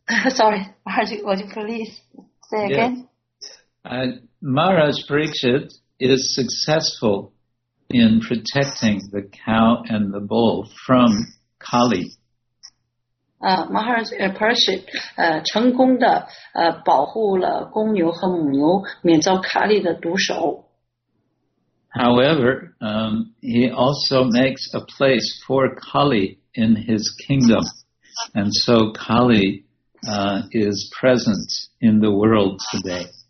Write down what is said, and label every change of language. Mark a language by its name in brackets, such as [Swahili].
[English] Sorry, could you please say again? Maharaj Parikshit is successful in protecting the cow and the bull from Kali. [Chinese] Maharaj Parikshit成功地保护了公牛和母牛免遭Kali的毒手. [English] However, he also makes a place for Kali in his kingdom. And so Kali is present in the world today.